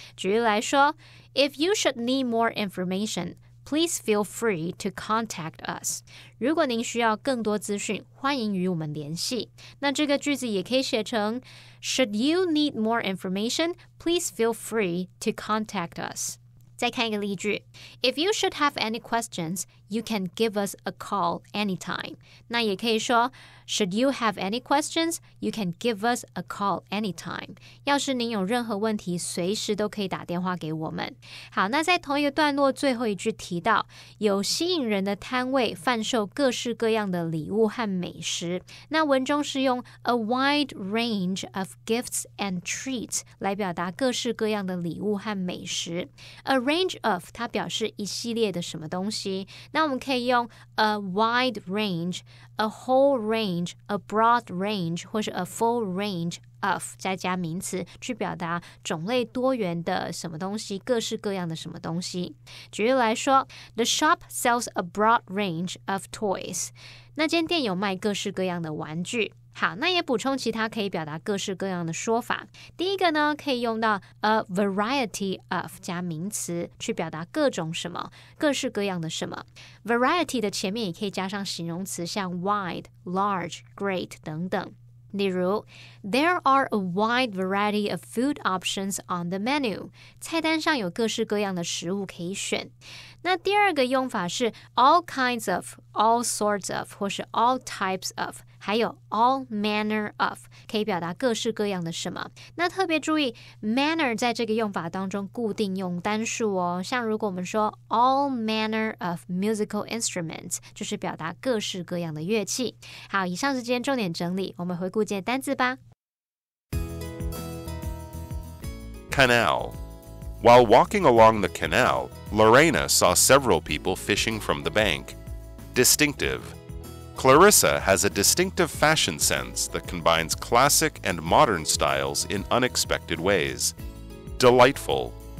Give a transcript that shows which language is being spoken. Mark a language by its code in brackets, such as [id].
[zh] 举例来说， [en] if you should need more information, please feel free to contact us. [zh] 如果您需要更多资讯，欢迎与我们联系。那这个句子也可以写成 [en] should you need more information, please feel free to contact us. [zh] 再看一个例句， [en] if you should have any questions, you can give us a call anytime. [zh] 那也可以说 [en] should you have any questions, you can give us a call anytime. [zh] 要是您有任何问题，随时都可以打电话给我们。好，那在同一个段落最后一句提到有吸引人的摊位贩售各式各样的礼物和美食，那文中是用 [en] a wide range of gifts and treats [zh] 来表达各式各样的礼物和美食。 a range of 它表示一系列的什么东西，那我们可以用 [en] a wide range, a whole range, a broad range, [zh] 或是 a full range of 再加名词去表达种类多元的什么东西，各式各样的什么东西。举例来说， [en] the shop sells a broad range of toys. [zh] 那间店有卖各式各样的玩具。好，那也补充其他可以表达各式各样的说法。第一个呢，可以用到 a variety of 加名词去表达各种什么，各式各样的什么。 variety 的前面也可以加上形容词，像 wide, large, great 等等。 [en] 例如 there are a wide variety of food options on the menu， [zh] 菜单上有各式各样的食物可以选。那第二个用法是 all kinds of, all sorts of 或是 all types of，还有 all manner of 可以表达各式各样的什么。那特别注意 manner 在这个用法当中固定用单数哦，像如果我们说 [en] all manner of musical instruments [zh] 就是表达各式各样的乐器。好，以上是今天重点整理，我们回顾一下单字吧。 [en] Canal. While walking along the canal, Lorena saw several people fishing from the bank. DistinctiveClarissa has a distinctive fashion sense that combines classic and modern styles in unexpected ways. Delightful.